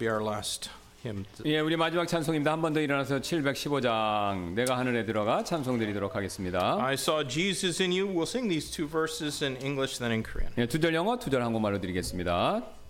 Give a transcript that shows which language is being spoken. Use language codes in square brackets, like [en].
[ko] 예, 우리 마지막 찬송입니다. 한 번 더 일어나서 715장 내가 하늘에 들어가 찬송드리도록 하겠습니다. [en] I saw Jesus in you. We'll sing these two verses in English, then in Korean. [ko] 예, 두 절 영어, 두 절 한국말로 드리겠습니다.